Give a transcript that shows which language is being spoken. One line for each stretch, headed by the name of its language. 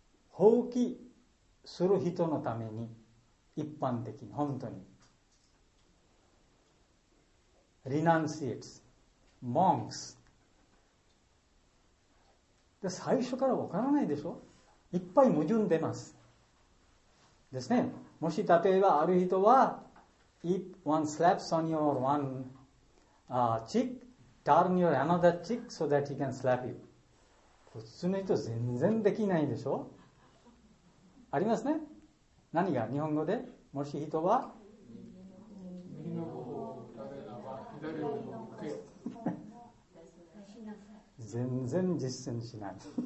Japanese: 放棄する人のために、一般的に本当に renunciates monks で、最初から分からないでしょ、いっぱい矛盾出ますですね。
English: もし例えばある人は if one slaps on your one cheekTurn your another cheek so that he can slap you.
Japanese: 普通の人全然できないでしょ。ありますね。何が日本語で、もし人は右の方を食べれば左の方を食え。全然実践しない。